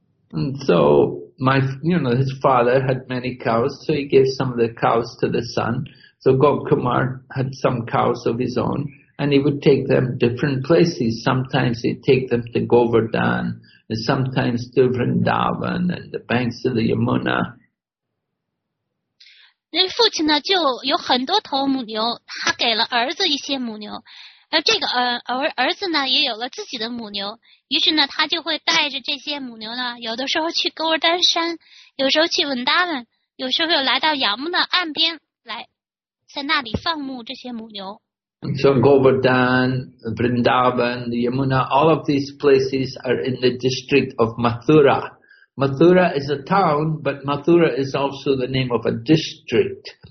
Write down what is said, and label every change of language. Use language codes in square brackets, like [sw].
[en] And so my, you know, his father had many cows, so he gave some of the cows to the son. So Gop Kumar had some cows of his own, and he would take them different places. Sometimes he'd take them to Govardhan, and sometimes to Vrindavan and the banks of the Yamuna. [zh] 那父亲呢就有很多头母牛，他给了儿子一些母牛，而这个儿子呢也有了自己的母牛，于是呢他就会带着这些母牛呢，有的时候去勾儿丹山，有时候去文达文，有时候又来到杨木的岸边来在那里放牧这些母牛。 [en] So Govardhan, Vrindavan, the Yamuna, all of these places are in the district of Mathura. Mathura is a town, but Mathura is also the name of a district.